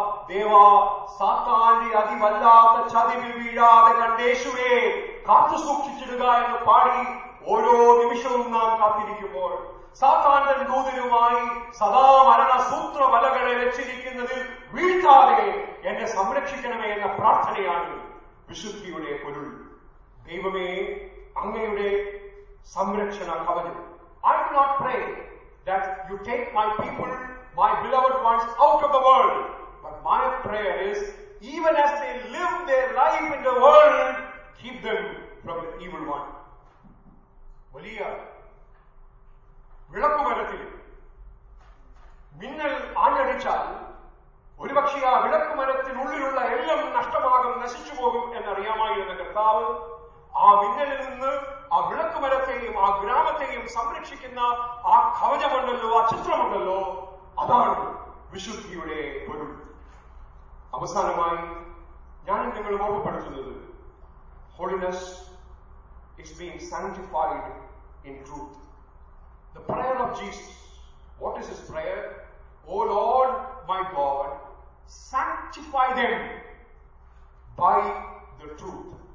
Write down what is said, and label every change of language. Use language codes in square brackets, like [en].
[ml] ദേവാ, സാത്താന്റെ അതിവല്ലാത്ത ചതിവിൽ വീഴാതെ കണ്ടേശുവേ, കാത്തു സൂക്ഷിച്ചിടുക എന്ന് പാടി ഓരോ നിമിഷവും നാം കാത്തിരിക്കുമ്പോൾ സാത്താന്റെ ദൂതനുമായി സദാ മരണ സൂത്ര വലകളെ വെച്ചിരിക്കുന്നതിൽ വീഴ്ത്താതെ എന്നെ സംരക്ഷിക്കണമേ എന്ന പ്രാർത്ഥനയാണ് വിശുദ്ധിയുടെ പൊരുൾ. ദൈവമേ, അങ്ങയുടെ സംരക്ഷണ കവചം. [en] I will not pray that you take my people, my beloved ones, out of the world. But my prayer is, even as they live their life in the world, keep them from the evil one. [ml] വലിയ വിളക്കു മരത്തിൽ മിന്നൽ ആഞ്ഞടിച്ചാൽ ഒരുപക്ഷെ ആ വിളക്കു മരത്തിനുള്ളിലുള്ള എല്ലാം നഷ്ടമാകും, നശിച്ചു പോകും എന്നറിയാമായിരുന്ന കർത്താവ് ആ മിന്നലിൽ നിന്ന് ആ വിളക്കു മരത്തെയും ആ ഗ്രാമത്തെയും സംരക്ഷിക്കുന്ന ആ കവചമുണ്ടല്ലോ, ആ ചിത്രമുണ്ടല്ലോ, അതാണ് വിശുദ്ധിയുടെ പൊരുൾ. അവസാനമായി ഞാൻ നിങ്ങൾ ഓർമ്മപ്പെടുത്തുന്നത്, [en] Holiness is being sanctified in truth. The prayer of Jesus, what is his prayer? O Lord, my God, sanctify them by the truth.